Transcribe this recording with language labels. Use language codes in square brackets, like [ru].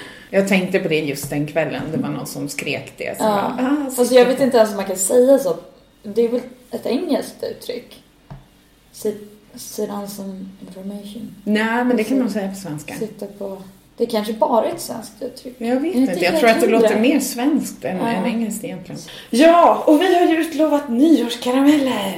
[sv] Jag tänkte på det just den kvällen. Det var någon som skrek det. Så alltså jag vet inte ens om man kan säga så. Det är väl ett engelskt uttryck. [en] Sit on some information. [sv] Nej, men det kan man säga på svenska. Sitta på. Det kanske bara ett svenskt uttryck. Jag vet inte. Jag tror att det låter mer svenskt än engelskt egentligen. Ja, och vi har ju utlovat nyårskarameller.